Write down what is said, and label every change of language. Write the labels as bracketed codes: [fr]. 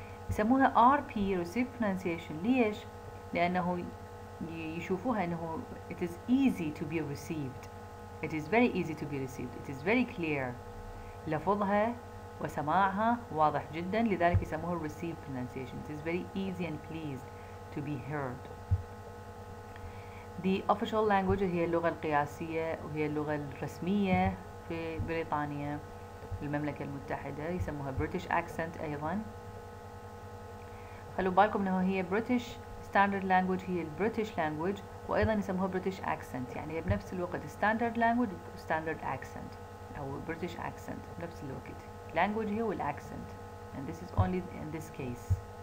[en] يسموها RP Received Pronunciation [ar] ليش؟ لأنه يشوفوها أنه [en] it is easy to be received, it is very easy to be received, it is very clear, [ar] لفظها وسماعها واضح جدا, لذلك يسموها [en] received pronunciation, it is very easy and pleased to be heard. [ar] The official language هي اللغة القياسية وهي اللغة الرسمية في بريطانيا المملكة المتحدة, يسموها British accent أيضا. خلوا بالكم انها هي British Standard Language، هي British Language، وايضا يسموها British Accent، يعني هي بنفس الوقت Standard Language Standard Accent او British Accent بنفس الوقت. [en] Language هي والaccent. And this is only in this case.